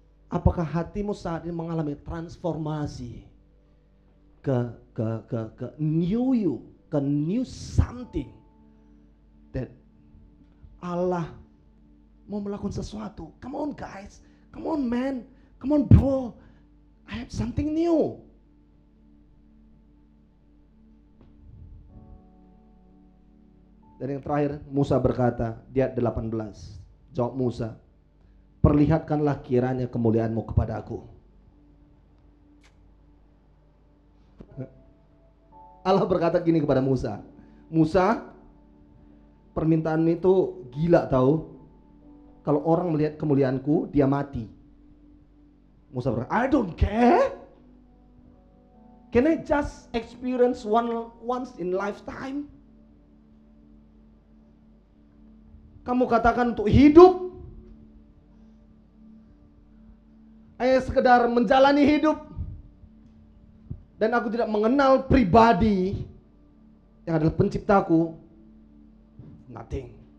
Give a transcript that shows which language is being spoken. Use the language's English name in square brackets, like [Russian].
[Indonesian] Apakah hatimu saat ini mengalami transformasi ke new you, ke new something that Allah mau melakukan sesuatu? [English] Come on guys, come on man, come on bro, I have something new. [Indonesian] Dan yang terakhir, Musa berkata di ayat 18, jawab Musa, perlihatkanlah kiranya kemuliaanmu kepada aku. Allah berkata gini kepada Musa, Musa, permintaan itu gila tahu. Kalau orang melihat kemuliaanku, dia mati. [English] Musa berkata, I don't care. Can I just experience once in lifetime? [Indonesian] Kamu katakan untuk hidup, hanya sekedar menjalani hidup, dan aku tidak mengenal pribadi yang adalah penciptaku. Nothing.